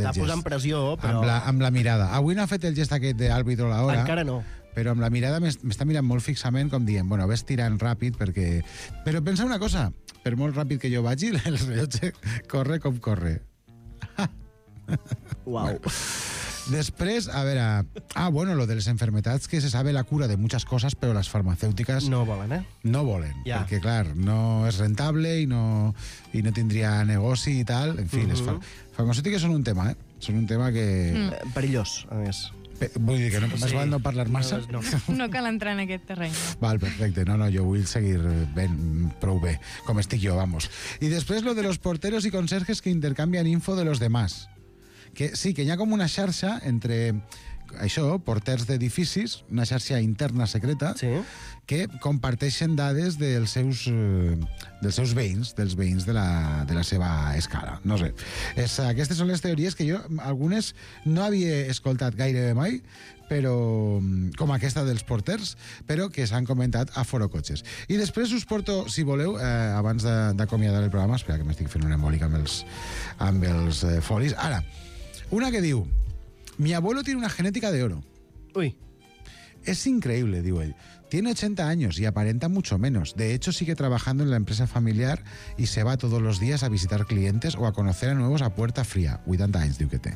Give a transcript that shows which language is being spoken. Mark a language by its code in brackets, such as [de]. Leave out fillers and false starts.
[ca] Està posant pressió, però... Amb la mirada. Avui no ha fet el gest aquest d'àrbitro a l'hora. Encara no. Però amb la mirada m'està mirant molt fixament, com dient, bueno, ves tirant ràpid, perquè... Però pensa una cosa, per molt ràpid que jo vagi, el rellotge corre com corre. Uau. Després, a veure... [es] Ah, bueno, lo de les enfermedades, que se sabe la cura de muchas cosas, pero las farmacéuticas... [ca] No volen, No volen. Yeah. Perquè, clar, no és rentable i no tindria negoci i tal. En fi, les farmacèutiques són un tema, Són un tema que... Mm. Perillós, a més. Vull dir que no, més val no parlar massa. No cal entrar en aquest terreny. Val, perfecte. No, jo vull seguir ben, prou bé, com estic jo, vamos. I després, [es] lo de los porteros y conserjes que intercambian info de los demás. [ca] Que, sí, que hi ha com una xarxa entre, això, porters d'edificis, una xarxa interna secreta, sí, que comparteixen dades dels seus veïns, dels veïns de la seva escala. No sé. Aquestes són les teories que jo, algunes, no havia escoltat gairebé mai, però com aquesta dels porters, però que s'han comentat a Foro Cotxes. I després us porto, si voleu, abans d'acomiadar el programa, espera que m'estic fent una embòlica amb els folis. Ara, una que diu, [es] mi abuelo tiene una genética de oro. Uy. Es increíble, digo él. Tiene 80 años y aparenta mucho menos. De hecho, sigue trabajando en la empresa familiar y se va todos los días a visitar clientes o a conocer a nuevos a puerta fría. 80 años, digo que te.